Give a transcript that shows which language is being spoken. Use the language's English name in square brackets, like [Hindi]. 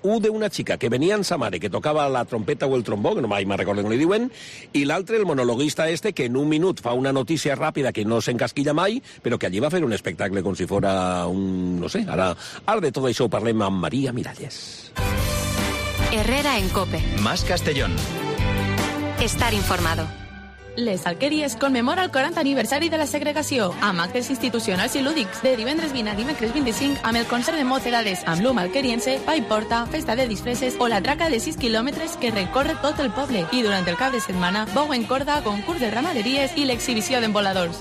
[Catalan] Un d'una xica que venia amb sa mare, que tocava la trompeta o el trombó, que no mai me'n recordo com li diuen, i l'altre, el monologuista este, que en un minut fa una notícia ràpida que no s'encasquilla mai, però que allí va fer un espectacle com si fora un... No sé, ara de tot això ho parlem amb Maria Miralles. [Spanish] Herrera en COPE. Más Castellón. Estar informado. [Catalan] Les Alqueries commemora el 40 aniversari de la segregació amb actes institucionals i lúdics de divendres 20 a dimecres 25 amb el concert de Mocedades, amb l'Hum Alqueriense, Pai Porta, Festa de Disfresses o la traca de 6 quilòmetres que recorre tot el poble. I durant el cap de setmana, bou en corda, concurs de ramaderies i l'exhibició d'emboladors.